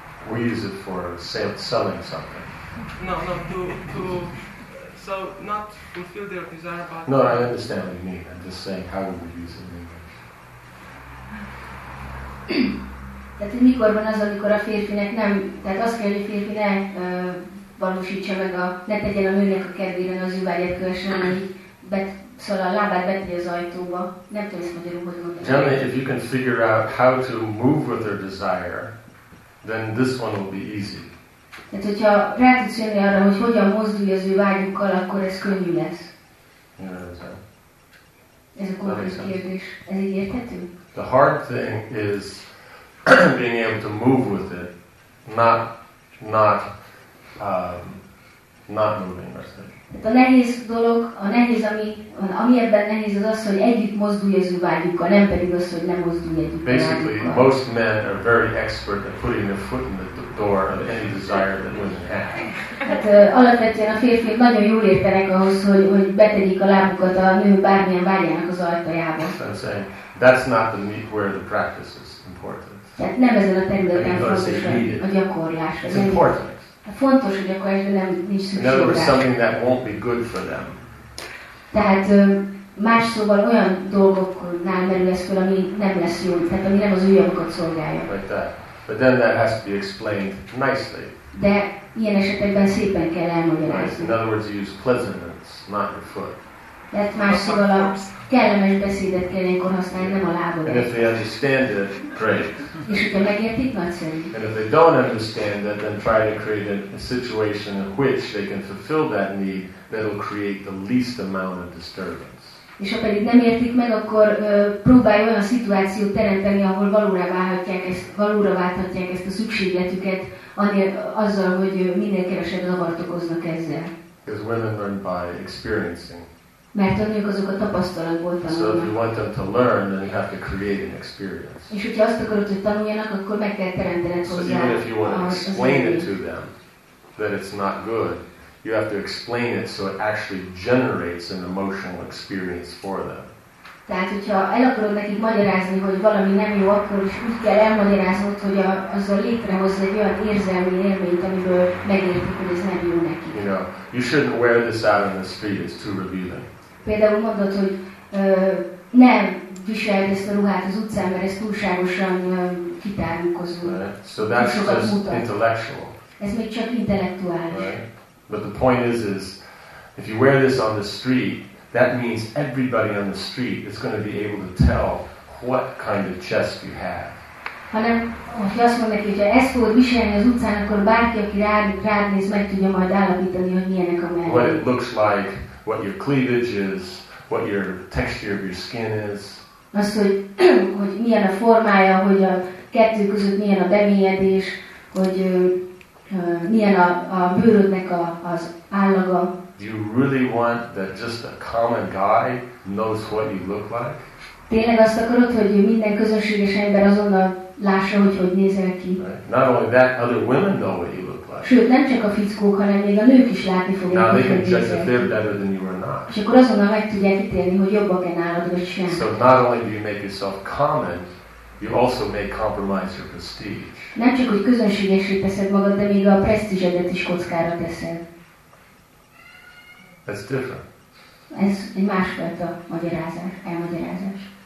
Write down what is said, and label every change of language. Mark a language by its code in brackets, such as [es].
[en] we use it for selling something. So not fulfill their desire, but no, I understand what you mean. I'm just saying, how would we use it in English? [hu] Tehát mikor van az, amikor a férfinek nem, tehát azt kell, hogy a férfi ne valósítsa meg a, ne tegyen a nőnek a kedvére, az ő vágyát kövessen, szóval a lábát beteti az ajtóba, nem tudom, hogy magyarul, hogy mondani. [en] Generally, if you can figure out how to move with their desire, then this one will be easy. [hu] Tehát, hogyha rátudsz arra, hogy hogyan mozdulj az ő vágyukkal, akkor ez könnyű lesz. Ez a konkrét kérdés. Ez így érthető? [en] The hard thing is being able to move with it, not moving or something. [hu] A nehéz dolog, a nehéz, ami ebben nehéz, az az, hogy együtt mozdulj az ő vágyukkal, nem pedig az, hogy nem mozdulj együtt vágyukkal. [en] Basically, most men are very expert at putting their foot in the door of any desire that women have. [hu] Hát alapvetően a férfiak nagyon jól értenek ahhoz, hogy betegyik a lábukat a nő bármilyen vágyának az ajtajába. [en] That's not the meat where the practice is important. [hu] Tehát nem ezen a területen fontos a gyakorlás. [en] It's important. [hu] Fontos, hogy akkor ezben nem nincs szükség. [en] In other words, something that won't be good for them. [hu] Tehát más szóval olyan dolgoknál merül ez fel, ami nem lesz jó, tehát ami nem az ő javukat szolgálja. [en] Like that. But then that has to be explained nicely. [hu] De ilyen esetekben szépen kell elmagyarázni. [en] In other words, you use pleasantness, not your foot. [hu] Tehát más szóval a kellemes beszédet kell ilyenkor használni, nem a lábodat. [en] And if they understand it, great. [hu] És hogyha megértik, nagyszerű. [en] And if they don't understand it, then try to create a situation in which they can fulfill that need that will create the least amount of disturbance. [hu] És ha pedig nem értik meg, akkor próbálj olyan szituációt teremteni, ahol valóra válthatják ezt a szükségletüket, azzal, hogy minél kevesebb zavart okoznak ezzel. [en] Because women learn by experiencing. [hu] Mert a nők azok a tapasztalatból tanulnak. [en] So if you want them to learn, then you have to create an experience. [hu] És hogyha azt akarod, hogy tanuljanak, akkor meg kell teremtened hozzá. [en] So even if you want to explain it to them, that it's not good, you have to explain it so it actually generates an emotional experience for them. [hu] Tehát, hogyha el akarod nekik magyarázni, hogy valami nem jó, akkor is úgy kell elmagyaráznod, hogy azzal létrehozz egy olyan érzelmi élményt, amiből megértik, hogy ez nem jó neki. [en] You know, you shouldn't wear this out in the street, it's too revealing. [hu] Például mondod, hogy nem viseld ezt a ruhát az utcán, mert ez túlságosan kitárulkozó. [en] So that's just intellectual. [hu] Ez még csak intellektuális. [en] Right? But the point is if you wear this on the street, that means everybody on the street is going to be able to tell what kind of chest you have. [hu] Hanem, hogy azt mondják, hogy ha ezt fogod viselni az utcán, akkor bárki, aki rád néz, meg tudja majd állapítani, hogy milyenek a mellé. [en] What it looks like, what your cleavage is, what your texture of your skin is. [hu] Azt, hogy milyen a formája, hogy a kettő között milyen a bemélyedés, hogy milyen a bőrödnek az állaga. [en] Do you really want that just a common guy knows what you look like? [hu] Tényleg azt akarod, hogy minden közönséges ember azonnal lássa, hogy nézel ki? [en] Not only that, other women know what you look like. [hu] Sőt, nem csak a fickók, hanem még a nők is látni fogják, hogy nézel ki. [en] Now they can judge if they're better than you or not. [hu] És akkor azonnal meg tudják ítélni, hogy jobbak-e nálad, vagy sem. [en] So not only do you make yourself common, you also may compromise your prestige. [hu] Nem csak, hogy közönségesé teszed magad, de még a presztízsedet is kockára teszed. [en] That's different. [hu] Ez egy másfajta elmagyarázás.